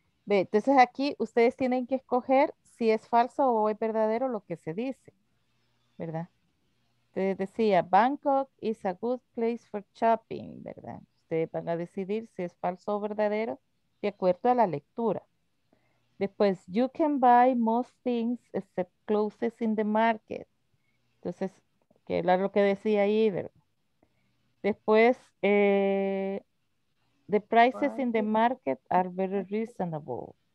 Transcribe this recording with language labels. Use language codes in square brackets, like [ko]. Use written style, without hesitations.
[es] Entonces aquí ustedes tienen que escoger si es falso o es verdadero lo que se dice, ¿verdad? Entonces decía, [en] Bangkok is a good place for shopping, [es] ¿verdad? Ustedes van a decidir si es falso o verdadero de acuerdo a la lectura. [en] Después, you can buy most things except clothes in the market. [es] Entonces, que era lo que decía ahí, ¿verdad? [en] Después, the prices in the market are very reasonable.